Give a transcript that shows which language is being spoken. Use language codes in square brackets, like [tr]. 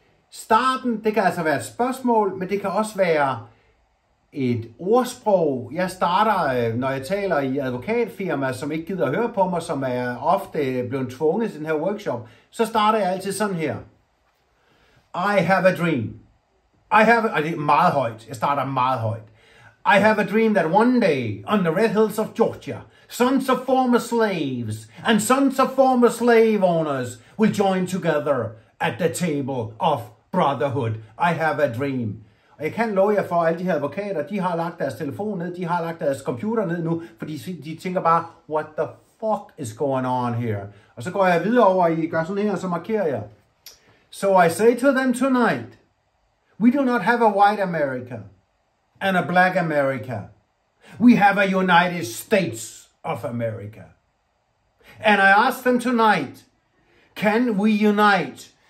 [da] Starten, det kan altså være et spørgsmål, men det kan også være et ordsprog. Jeg starter, når jeg taler i advokatfirma, som ikke gider at høre på mig, som er ofte blevet tvunget til den her workshop, så starter jeg altid sådan her. [en] I have a dream. I have a, [da] og det er meget højt. Jeg starter meget højt. [en] I have a dream that one day on the Red Hills of Georgia, sons of former slaves and sons of former slave owners will join together at the table of brotherhood. I have a dream. [da] Og jeg kan love jer for, alle de her advokater, de har lagt deres telefon ned, de har lagt deres computer ned nu, fordi de tænker bare, [en] what the fuck is going on here? [da] Og så går jeg videre over, I gør sådan her, og så markerer jeg. [en] So I say to them tonight, we do not have a white America and a black America. We have a United States of America. And I ask them tonight, can we unite?